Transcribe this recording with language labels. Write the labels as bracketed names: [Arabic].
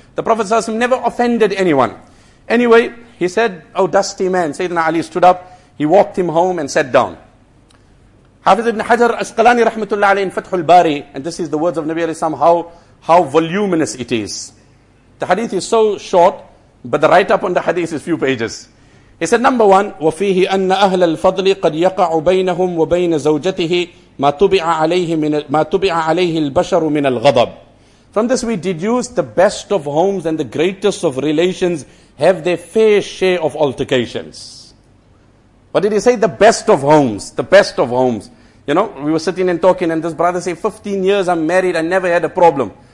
[English] The Prophet ﷺ never offended anyone. Anyway, he said, oh dusty man, Sayyidina Ali stood up. He walked him home and sat down. Hafiz ibn Hajar Asqalani rahmatullah alayhi in Fathul Bari, and this is the words of Nabi alayhi salam, how voluminous it is. The hadith is so short, but the write-up on the hadith is few pages. He said, number one, [Arabic] وَفِيهِ أَنَّ أَهْلَ الْفَضْلِ قَدْ يَقَعُ بَيْنَهُمْ وَبَيْنَ زَوْجَتِهِ ما تبع عليه البشر من الغضب. [English] From this we deduce the best of homes and the greatest of relations have their fair share of altercations. What did he say? The best of homes. You know, we were sitting and talking and this brother said, 15 years I'm married, I never had a problem.